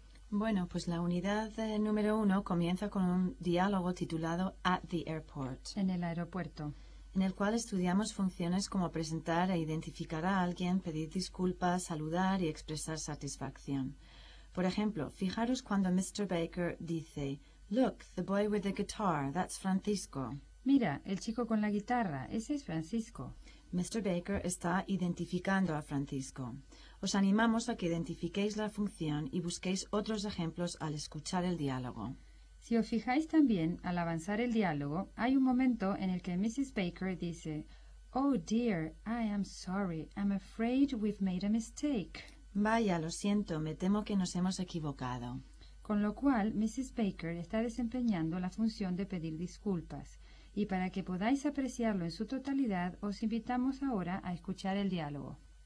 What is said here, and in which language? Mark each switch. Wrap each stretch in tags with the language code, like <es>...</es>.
<es>Bueno, pues la unidad número 1 comienza con un diálogo titulado</es> <en>At the Airport.</en> <es>En el aeropuerto. En el cual estudiamos funciones como presentar e identificar a alguien, pedir disculpas, saludar y expresar satisfacción. Por ejemplo, fijaros cuando Mr.</es> <en>Baker dice, Look, the boy with the guitar, that's Francisco.</en> <es>Mira, el chico con la guitarra, ese es Francisco. Mr. Baker está identificando a Francisco. Os animamos a que identifiquéis la función y busquéis otros ejemplos al escuchar el diálogo. Si os fijáis también, al avanzar el diálogo, hay un momento en el que Mrs.</es> <en>Baker dice, Oh dear, I am sorry, I'm afraid we've made a mistake.</en> <es>Vaya, lo siento, me temo que nos hemos equivocado. Con lo cual, Mrs. Baker está desempeñando la función de pedir disculpas. Y para que podáis apreciarlo en su totalidad, os invitamos ahora a escuchar el diálogo.</es>